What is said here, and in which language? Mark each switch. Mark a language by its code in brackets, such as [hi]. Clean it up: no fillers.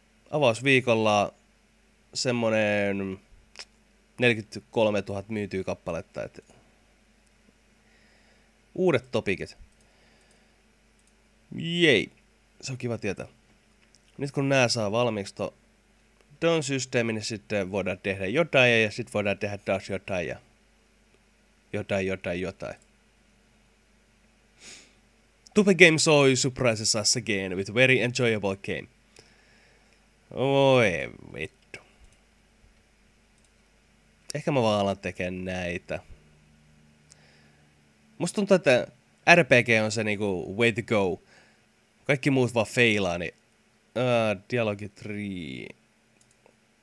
[fi] Avausviikolla semmoinen 43 000 myytyy kappaletta, että uudet topiket. Jei, se on kiva tietää. Nyt kun nää saa valmiiksi to don systeemi, niin sitten voidaan tehdä jotain ja sitten voidaan tehdä taas jotain ja jotain. [en] Tupe Games Oy surprises us again with very enjoyable game. [fi] Oi vittu. Ehkä mä vaan alan tekee näitä. Musta tuntuu, että RPG on se niinku [en] way to go. [fi] Kaikki muut vaan feilaa, niin... Dialogi 3.